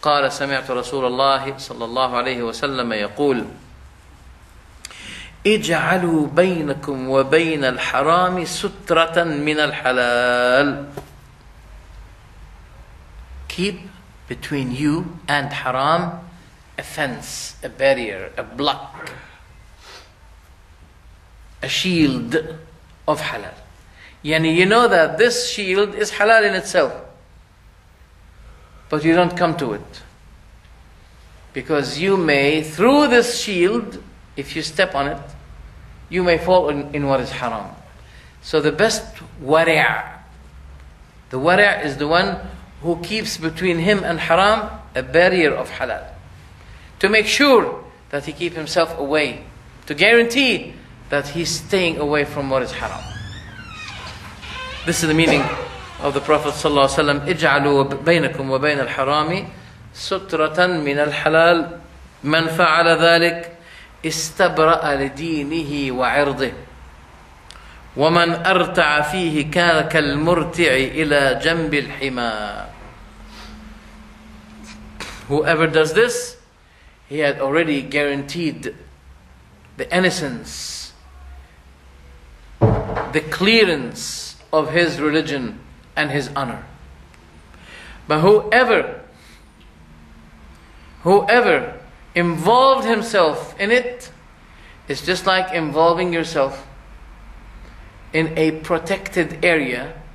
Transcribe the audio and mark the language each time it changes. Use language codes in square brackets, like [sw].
[ar] قال سمعت رسول الله صلى الله عليه وسلم يقول اجعلوا بينكم وبين الحرام سترة من الحلال. [en] Keep between you and haram a fence, a barrier, a block, a shield of halal. Yani you know that this shield is halal in itself, but you don't come to it. Because you may, through this shield, if you step on it, you may fall in what is haram. So the best wari', the wari' is the one who keeps between him and haram a barrier of halal, to make sure that he keep himself away, to guarantee that he's staying away from what is haram. This is the meaning of the Prophet sallallahu alaihi wasallam, [ar] اجعلوا بينكم وبين الحرام سترة من الحلال من فعل ذلك استبرأ لدينه وعرضه ومن أرتع فيه كان كالمرتع إلى جنب الحمى. [en] Whoever does this, he had already guaranteed the innocence, the clearance of his religion and his honor. But whoever involved himself in it, is just like involving yourself in a protected area.